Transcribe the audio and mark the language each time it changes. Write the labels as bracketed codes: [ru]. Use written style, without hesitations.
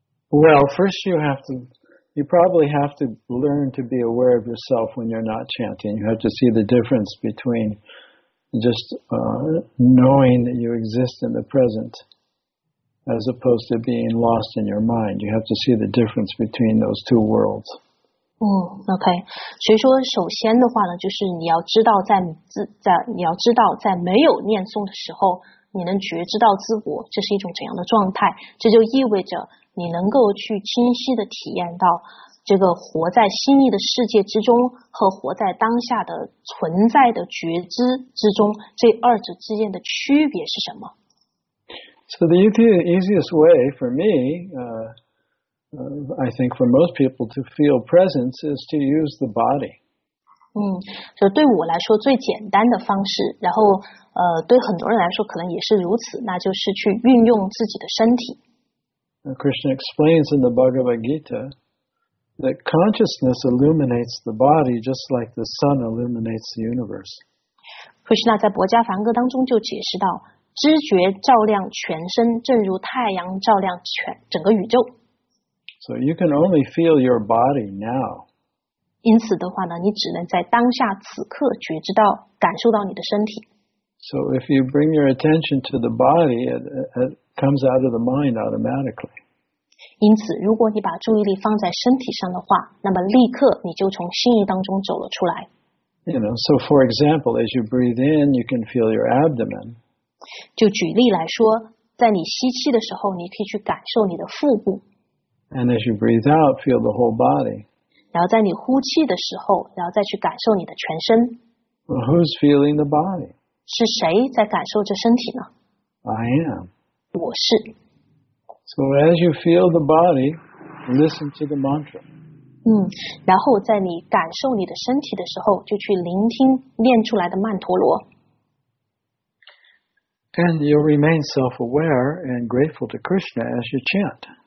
[en] Well, first you probably have to learn to be aware of yourself when you're not chanting. You have to see the difference between just knowing that you exist in the present as opposed to being lost in your mind. You have to see the difference between those two worlds. Okay. [zh] 所以说首先的话呢，就是你要知道在没有念诵的时候，你能觉知到自我，这是一种怎样的状态，这就意味着你能够去清晰的体验到这个活在心意的世界之中和活在当下的存在的觉知之中，这二者之间的区别是什么？ [en] So the easiest way for me, I think for most people to feel presence is to use the body. [zh] 就对我来说最简单的方式，然后对很多人来说可能也是如此，那就是去运用自己的身体。 [en] Krishna explains in the Bhagavad Gita that consciousness illuminates the body just like the sun illuminates the universe. [zh] Krishna 在博迦梵歌当中就解释到，知觉照亮全身，正如太阳照亮全整个宇宙。 [en] So you can only feel your body now. [zh] 因此的话呢，你只能在当下此刻觉知到，感受到你的身体。 [en] So if you bring your attention to the body, it comes out of the mind automatically. [zh] 因此，如果你把注意力放在身体上的话，那么立刻你就从心意当中走了出来。 [en] You know, so for example, as you breathe in, you can feel your abdomen. [zh] 就举例来说，在你吸气的时候，你可以去感受你的腹部。 [en] And as you breathe out, feel the whole body. [zh] 然后在你呼气的时候，然后再去感受你的全身。 [en] Well, who's feeling the body? [zh] 是谁在感受这身体呢？ [en] I am. [zh] 我是。 [en] So as you feel the body, listen to the mantra. [zh] 然后在你感受你的身体的时候，就去聆听念出来的曼陀罗。 [en] And you'll remain self-aware and grateful to Krishna as you chant.